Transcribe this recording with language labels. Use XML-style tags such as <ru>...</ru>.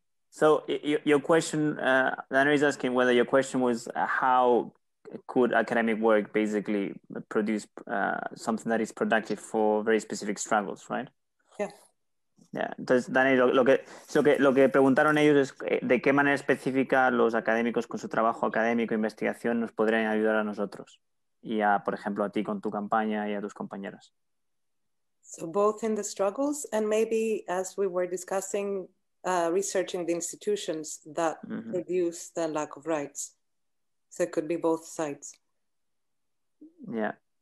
<en>So your question, Daniel is asking whether your question was how could academic work basically produce something that is productive for very specific struggles, right? Yeah. Yeah.</en> <es>Entonces, Daniel, lo que preguntaron ellos es de qué manera específica los académicos con su trabajo académico e investigación nos podrían ayudar a nosotros. Y a, por ejemplo, a ti con tu campaña y a tus compañeras.</es> <en>So both in the struggles and maybe as we were discussing, researching the institutions that mm-hmm. produce the lack of rights. So it could be both sides. Yeah.</en>